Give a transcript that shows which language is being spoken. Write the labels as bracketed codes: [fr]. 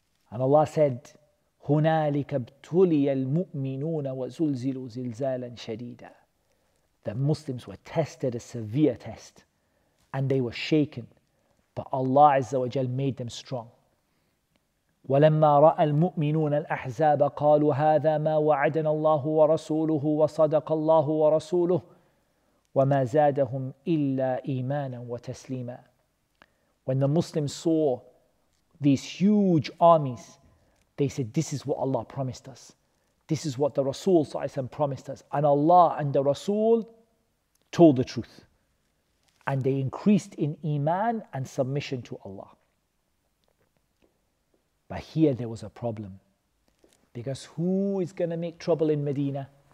[en] And Allah said, [ar] هُنَالِكَ ابْتُلِيَ الْمُؤْمِنُونَ وَزُلْزِلُوا زِلْزَالًا شَدِيدًا [en] The Muslims were tested a severe test. And they were shaken. But Allah Azza wa Jal made them strong. [ar] وَلَمَّا رَأَى الْمُؤْمِنُونَ الْأَحْزَابَ قَالُوا هَذَا مَا وَعَدَنَا اللَّهُ وَرَسُولُهُ وَصَدَقَ اللَّهُ وَرَسُولُهُ وَمَا زَادَهُمْ إِلَّا إِيمَانًا وَتَسْلِيمًا [en] When the Muslims saw these huge armies, they said, this is what Allah promised us. This is what the Rasul ﷺ promised us. And Allah and the Rasul told the truth. And they increased in iman and submission to Allah. But here there was a problem. Because who is going to make trouble in Medina?